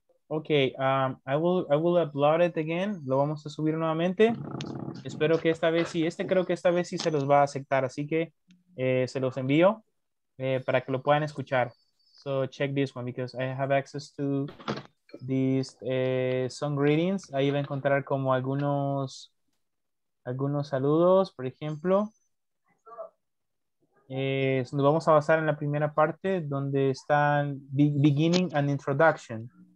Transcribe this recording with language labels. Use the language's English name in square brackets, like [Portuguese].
[English] Okay, I will upload it again. [Spanish] Lo vamos a subir nuevamente. Espero que esta vez sí. Este creo que esta vez sí se los va a aceptar. Así que se los envío para que lo puedan escuchar. [English] So check this one because I have access to these song greetings. [Spanish] Ahí va a encontrar como algunos saludos, por ejemplo. Nos vamos a basar en la primera parte donde están [English] beginning and introduction.